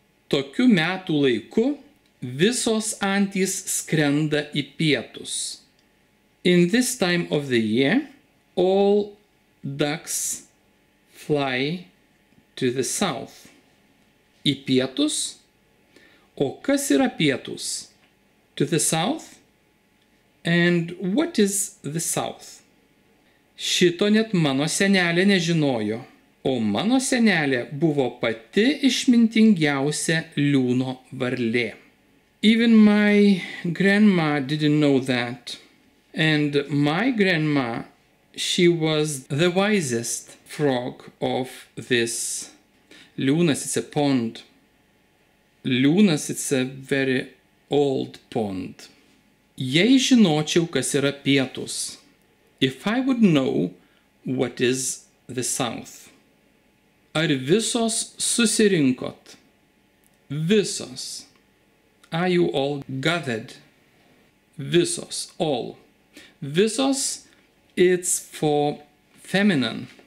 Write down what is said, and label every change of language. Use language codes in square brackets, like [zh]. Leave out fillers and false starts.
[lt] Tokiu metų laiku visos antys skrenda į pietus. [en] In this time of the year, all ducks fly to the south. [lt] Į pietus. O kas yra pietus? [en] To the south. And what is the south? [lt] Šito net mano senelė nežinojo. O mano senelė buvo pati išmintingiausia liūno varlė. [en] Even my grandma didn't know that. And my grandma, she was the wisest frog of this. Liūnas, it's a pond. Liūnas, it's a very old pond. [lt] Jei žinočiau, kas yra pietus. [en] If I would know what is the south. [lt] Ar visos susirinkot? Visos. [en] Are you all gathered? Visos, all. Visos, it's for feminine.